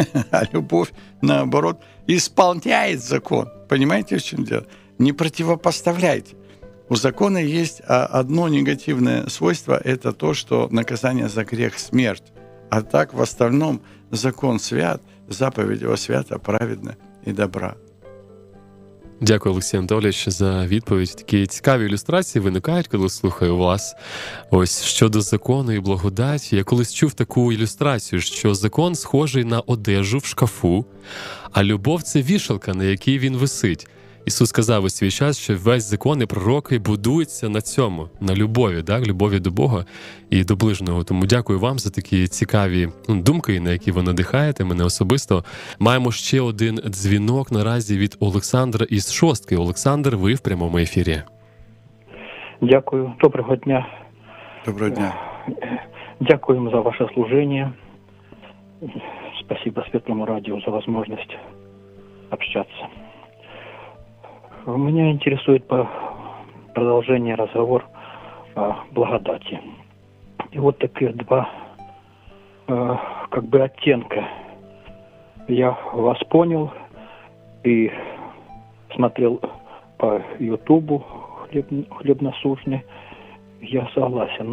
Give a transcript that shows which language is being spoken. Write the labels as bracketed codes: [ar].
[ru] А любовь, наоборот, исполняет закон. Понимаете, в чем дело? Не противопоставляйте. У закона есть одно негативное свойство – это то, что наказание за грех – смерть. А так, в остальном, закон свят, заповедь его свята, праведна и добра. [uk] Дякую, Олексій Анатолійович, за відповідь. Такі цікаві ілюстрації виникають, коли слухаю вас. Ось щодо закону і благодаті. Я колись чув таку ілюстрацію, що закон схожий на одежу в шкафу, а любов – це вішалка, на якій він висить. Ісус сказав у свій час, що весь закон і пророки будуються на цьому, на любові, так? Любові до Бога і до ближнього. Тому дякую вам за такі цікаві думки, на які ви надихаєте мене особисто. Маємо ще один дзвінок наразі від Олександра із Шостки. Олександр, ви в прямому ефірі. Дякую. Доброго дня. Доброго дня. Дякуємо за ваше служення. Спасибо Світлому радіо за можливість общатися. [ru] Меня интересует продолжение разговор о благодати. И вот такие два как бы оттенка. Я вас понял и смотрел по Ютубу «Хлебносущный». Я согласен.